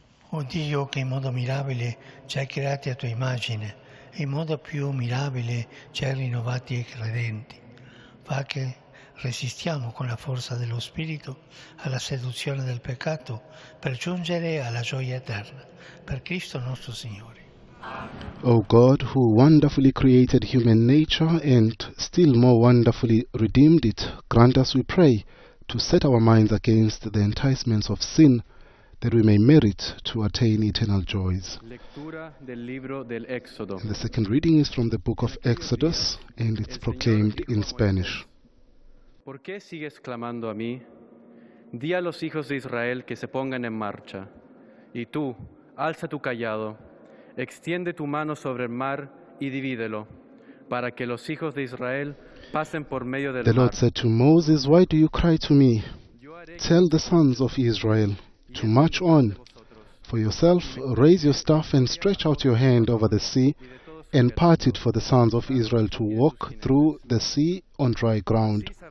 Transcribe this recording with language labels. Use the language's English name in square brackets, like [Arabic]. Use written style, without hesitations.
[Italian] O Dio, che in modo mirabile ci hai creati a tua immagine e in modo più mirabile ci hai rinnovati e credenti, fa che resistiamo con la forza dello Spirito alla seduzione del peccato per giungere alla gioia eterna. Per Cristo nostro Signore. [English] O God, who wonderfully created human nature and still more wonderfully redeemed it, grant us, we pray, to set our minds against the enticements of sin, that we may merit to attain eternal joys. [Spanish] Lectura del libro del Éxodo. [English] And the second reading is from the book of Exodus, and it's proclaimed in Spanish. [Spanish] ¿Por qué sigues clamando a mí? Di a los hijos de Israel que se pongan en marcha. Y tú, alza tu callado, extiende tu mano sobre el mar y divídelo, para que los hijos de Israel pasen por medio del [English] mar. The Lord said to Moses, why do you cry to me? Tell the sons of Israel to march on, for yourself, raise your staff and stretch out your hand over the sea and part it for the sons of Israel to walk through the sea on dry ground.